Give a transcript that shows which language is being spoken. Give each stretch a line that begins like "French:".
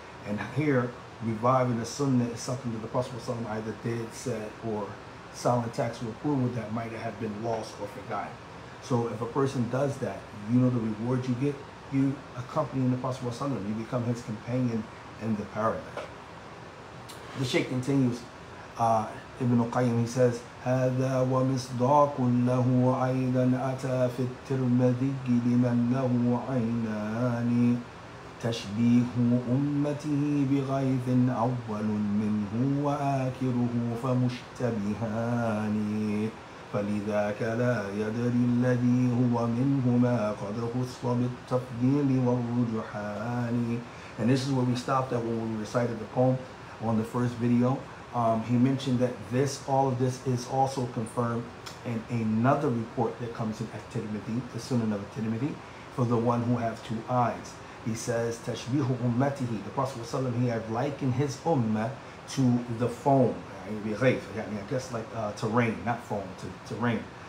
English: And here, reviving the sunnah is something that the Prophet ﷺ either did, said, or silent tax or approval that might have been lost or forgotten. So if a person does that, you know the reward you get, you accompany the Prophet ﷺ, you become his companion in the paradise. The Shaykh continues, Ibn Qayyim, he says,
Arabic: هذا ومصداق له أيضا أتى في الترمذي لمن له عينان تشبيه أمته بغيث أول منه وآكره فمشتبهان فلذاك لا يدري الذي هو منهما قد خص بالتفضيل والرجحان.
English: And this is where we stopped at when we recited the poem on the first video. He mentioned that this, all of this is also confirmed in another report that comes in At-Tirmidhi, the Sunan of At-Tirmidhi, for the one who have two eyes. He says, Tashbihu ummatihi, the Prophet ﷺ, he had likened his ummah to the foam, بغيف, I mean, I guess like terrain, not foam, to terrain.